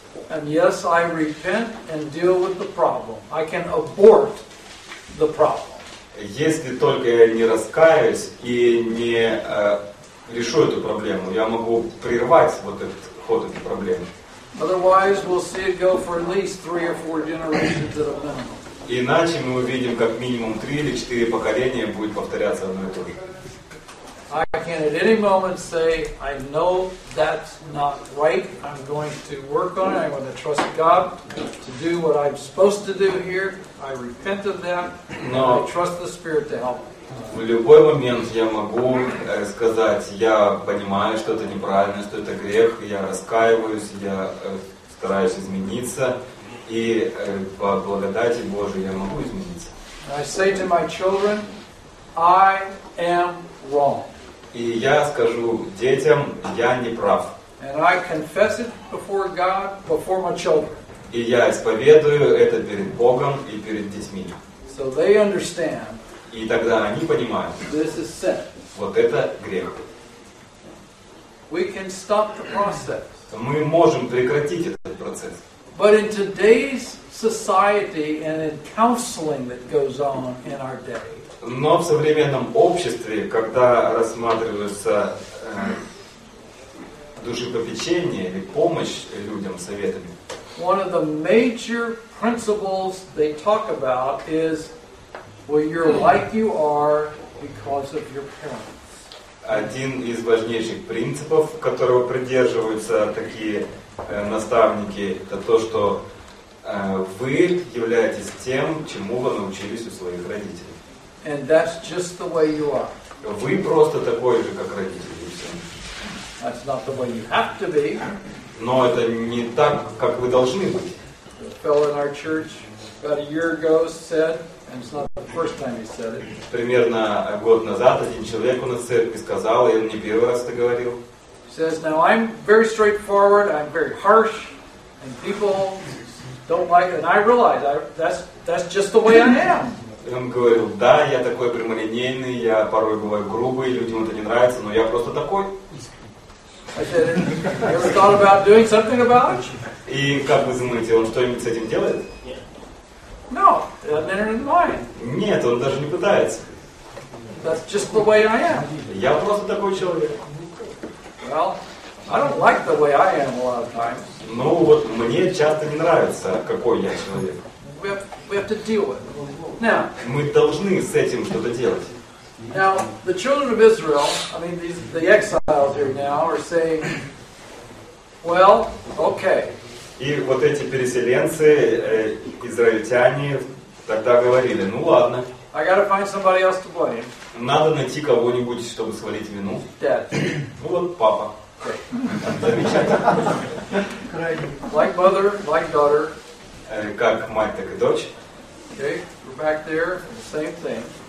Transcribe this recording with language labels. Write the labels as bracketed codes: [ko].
[en] And yes, I repent and deal with the problem. I can abort the problem. [ru] Если только я не раскаюсь и не решу эту проблему, я могу прервать вот этот ход этой проблемы. [en] Otherwise, we'll see it go for at least 3 or 4 generations at a minimum. [ru] Иначе мы увидим, как минимум 3 или 4 поколения будет повторяться одно и то же. [en] I can at any moment say, I know that's not right. I'm going to work on it. I'm going to trust God to do what I'm supposed to do here. I repent of that. [ru] Но [en] I trust the Spirit to help. [ru] В любой момент я могу сказать, я понимаю, что это неправильно, что это грех. Я раскаиваюсь, я стараюсь измениться. И по благодати Божией я могу измениться. [en] I say to my children, I am wrong. [ru] И я скажу детям, я не прав. [en] And I confess it before God, before my children. [ru] И я исповедую это перед Богом и перед детьми. [en] So they understand. [ru] И тогда они понимают. [en] This is sin. [ru] Вот это грех. [en] We can stop the process. [ru] Мы можем прекратить этот процесс. [en] But in today's society and in counseling that goes on in our day. [ru] Но в современном обществе, когда рассматривается душепопечение или помощь людям советами. [en] One of the major principles they talk about is, well, you're like you are because of your parents. [ru] Один из важнейших принципов, которого придерживаются такие наставники, это то, что вы являетесь тем, чему вы научились у своих родителей. [en] And that's just the way you are. [ru] Вы просто такой же, как родители. [en] That's not the way you have to be. [ru] Но это не так, как вы должны быть. [en] A fellow in our church about a year ago said, and it's not the first time he said it. [ru] Примерно год назад один человек у нас в церкви сказал, и он не первый раз это говорил. [en] He says, now I'm very straightforward, I'm very harsh, and people don't like it. And I realize that's just the way I am. [ru] Он говорил, да, я такой прямолинейный, я порой бываю грубый, людям это не нравится, но я просто такой. [en] Have you ever thought about doing something about it? [ru] И как вы думаете, он что-нибудь с этим делает? [en] No, it doesn't enter his mind. [ru] Нет, он даже не пытается. [en] That's just the way I am. [ru] Я просто такой человек. [en] Well, I don't like the way I am a lot of times. [ru] Ну вот мне часто не нравится, какой я человек. [en] We have to deal with it. Now. [ru] Мы должны с этим что-то делать. [en] Now, the children of Israel, I mean, the exiles here now, are saying, well, okay. [ru] И вот эти переселенцы, израильтяне, тогда говорили, ну ладно. [en] I gotta find somebody else to blame. [ru] Надо найти кого-нибудь, чтобы свалить вину. [en] Dad. [ru] Ну вот, папа. [en] Like mother, like daughter. [ru] Как мать, так и дочь. [en] Okay, we're back there, same thing.